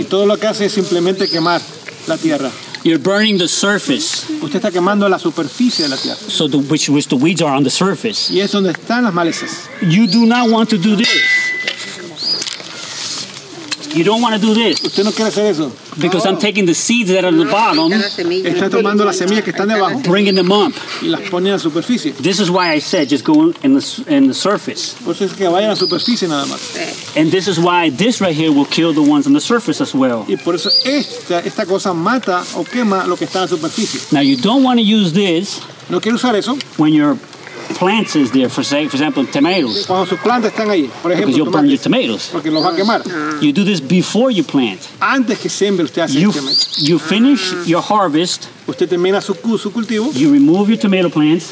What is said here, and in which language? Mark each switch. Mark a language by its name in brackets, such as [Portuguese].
[Spanish] Y todo lo que hace es simplemente quemar la tierra. [English] You're burning the surface. [Spanish] Usted está quemando la superficie de la tierra. [English] So which the weeds are on the surface. [Spanish] Y es donde están las malezas. [English] You do not want to do this. You don't want to do this. [Spanish] Usted no quiere hacer eso. [English] Because no. I'm taking the seeds that are in the bottom. [Spanish] Está tomando las semillas que están debajo. [English] Bringing them up. [Spanish] Y las pone en la superficie. [English] This is why I said just go in the surface. [Spanish] Por eso es que vaya en la superficie nada más. [English] And this is why this right here will kill the ones on the surface as well. [Spanish] Y por eso esta cosa mata o quema lo que está en la superficie. [English] Now you don't want to use this. [Spanish] No quiero usar eso. [English] When your plants is there, for example, tomatoes. [Spanish] Cuando sus plantas están ahí, por ejemplo, [English] because you'll burn your tomatoes. [Spanish] Porque los va a quemar. [English] You do this before you plant. [Spanish] Antes que siembre usted hace [English] you finish your harvest. [Spanish] Usted termina su cultivo. [English] You remove your tomato plants.